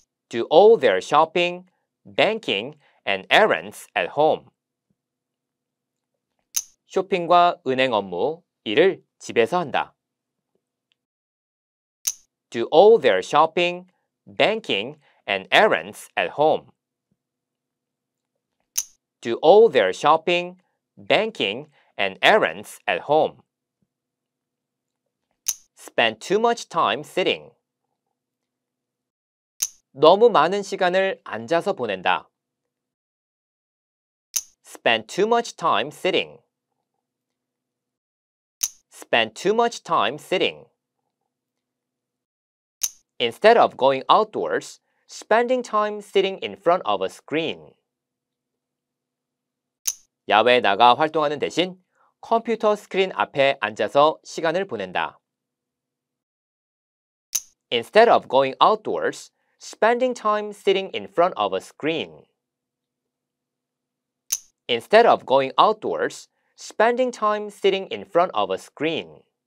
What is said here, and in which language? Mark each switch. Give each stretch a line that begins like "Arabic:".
English: Do all their shopping, banking, and errands at home.
Korean: 쇼핑과 은행 업무, 일을 집에서 한다.
English: Do all their shopping, banking, and errands at home. Do all their shopping, banking, and errands at home. Spend too much time sitting.
Korean: 너무 많은 시간을 앉아서 보낸다.
English: Spend too much time sitting. Spend too much time sitting. Instead of going outdoors, spending time sitting in front of a screen.
Korean: 야외에 나가 활동하는 대신 컴퓨터 스크린 앞에 앉아서 시간을 보낸다.
English: Instead of going outdoors, spending time sitting in front of a screen. Instead of going outdoors, spending time sitting in front of a screen.